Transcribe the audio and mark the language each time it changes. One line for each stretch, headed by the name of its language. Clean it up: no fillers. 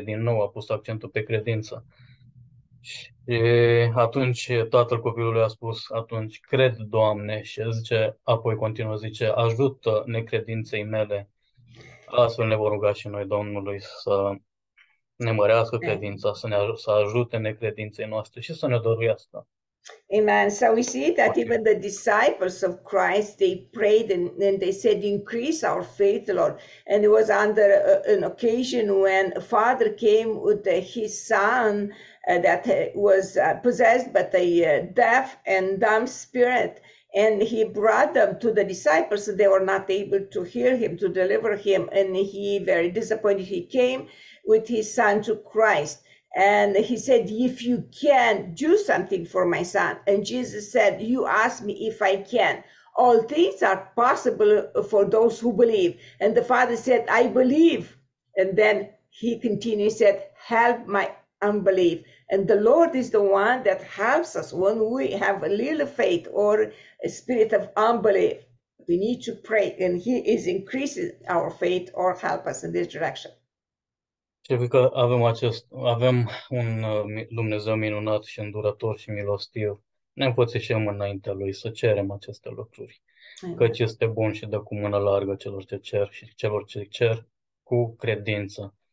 Romanian: Din nou a pus accentul pe credință. Și atunci tatăl copilului a spus, atunci cred, Doamne, și zice, apoi continuă, zice, ajută necredinței mele. Astfel ne vor ruga și noi Domnului să ne mărească credința, să ajute necredinței noastre și să ne dăruiască. Amen.
English: So we see that even the disciples of Christ, they prayed and they said, increase our faith, Lord. And it was under an occasion when a father came with his son that was possessed by a deaf and dumb spirit. And he brought them to the disciples. So they were not able to heal him, to deliver him. And he, very disappointed, he came with his son to Christ. And he said, if you can, do something for my son. And Jesus said, you ask me if I can. All things are possible for those who believe. And the father said, I believe. And then he continued, said, help my unbelief. And the Lord is the one that helps us when we have a little faith or a spirit of unbelief. We need to pray, and He is increasing our faith or help us in this direction.
Romanian: Pentru că avem un Dumnezeu minunat și îndurător și milostiv, ne înfățișăm înaintea Lui să cerem aceste lucruri, căci este bun și dă cu mână largă celor ce cer și celor ce cer cu credință.